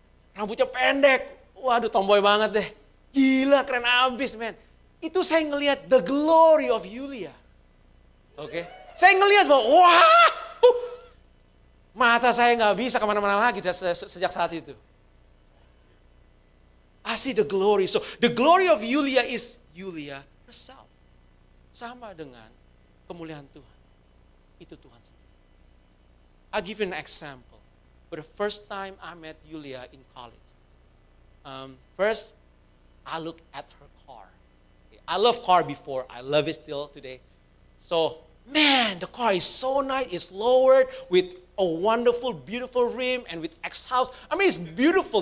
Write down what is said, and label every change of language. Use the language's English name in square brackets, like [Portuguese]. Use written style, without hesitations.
[Indonesian] Rambutnya pendek, waduh tomboy banget deh. Gila, keren abis, man. Itu saya ngelihat [English] the glory of Yulia. [Indonesian] Oke? Okay. Saya ngelihat bahwa, wah, mata saya gak bisa kemana-mana lagi sejak saat itu. [English] I see the glory. So, the glory of Yulia is Yulia herself. [Indonesian] Sama dengan kemuliaan Tuhan. Itu Tuhan sendiri. [English] I'll give you an example. For the first time I met Yulia in college. First, I look at her car. I love car before. I love it still today. So, man, the car is so nice. It's lowered with a wonderful, beautiful rim and with exhaust. I mean, it's beautiful.